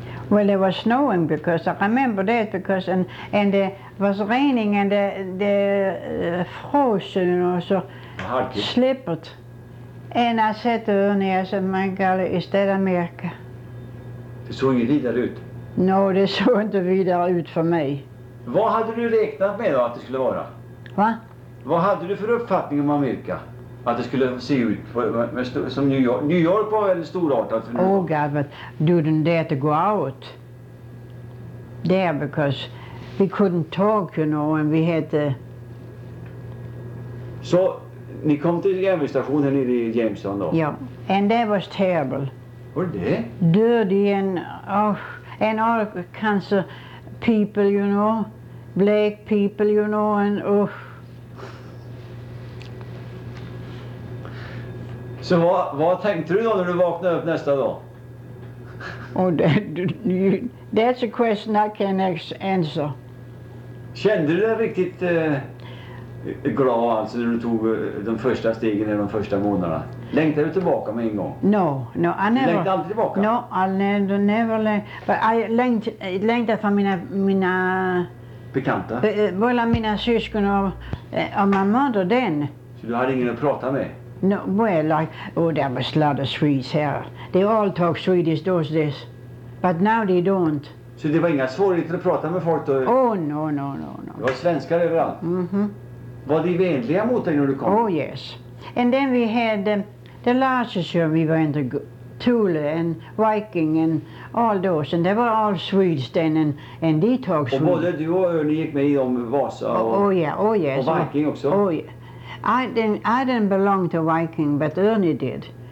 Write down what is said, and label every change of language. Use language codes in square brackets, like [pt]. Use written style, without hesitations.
[en] Well, it was snowing because I remember that because and it was raining and the frozen and also slippered. And I said to Ernie, I said, my God, is that America? [sv] Det såg inte vidare ut. No, det såg inte vidare ut för mig. Vad hade du räknat med då att det skulle vara? Va? Vad hade du för uppfattning om Amerika? Att det skulle se ut som New York? New York var väldigt storartat för New York. [en] Oh God, but didn't dare to go out there because we couldn't talk, you know, and we had to... [sv] Så ni kom till järnvägsstationen i Jamestown då? [en] Ja, yeah. And that was terrible. [sv] Var det? [en] Dirty and, oh, and all kinds of... people, you know, black people, you know, and oh. [sv] Så vad tänkte du då när du vaknade upp nästa dag? [en] Oh, that's a question I can't answer. [sv] Kände du dig riktigt glad alltså när du tog de första stegen i de första månaderna? Längtade du tillbaka med en gång? [en] No, I never. [sv] Längtade aldrig tillbaka? [en] No, I'll never längtade. But I [sv] längtade för mina... Bekanta? Mina syskon och [en] my mother then. [sv] Så du hade ingen att prata med? [en] No, well, there was a lot of Swedes here. They all talk Swedish those days. But now they don't. [sv] Så det var inga svårigheter att prata med folk då? [en] Oh, no. [sv] Det var svenskar överallt. Mm-hmm. Var de vänliga mot dig när du kom? [en] Oh, yes. And then we had the largest room, we went to Thule and Viking and all those. And they were all Swedes then and they talk Swedish. [sv] Och både du och Örne gick med om Vasa och Viking också? [en] Oh, yeah. I didn't belong to Viking, but Ernie did.